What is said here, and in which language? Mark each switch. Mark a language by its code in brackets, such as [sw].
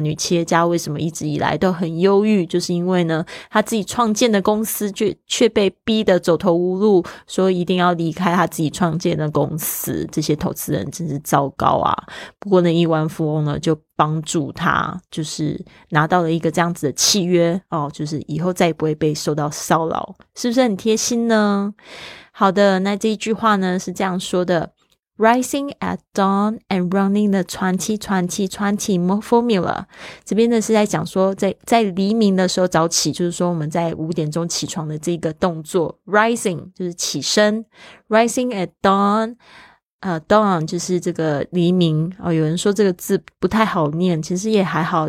[zh] 女企业家为什么一直以来都很忧郁，就是因为呢他自己创建的公司却被逼得走投无路，说一定要离开他自己创建的公司。这些投资人真是糟糕啊。不过呢亿万富翁呢就帮助他，就是拿到了一个这样子的契约哦，就是以后再也不会被受到骚扰，是不是很贴心呢？好的，那这一句话呢是这样说的 ： [en] Rising at dawn and running the 20-20-20 formula。 [zh] 这边呢是在讲说在黎明的时候早起，就是说我们在五点钟起床的这个动作 ，rising 就是起身 ， [en] rising at dawn。 [zh] Dawn 就是这个黎明哦，有人说这个字不太好念，其实也还好。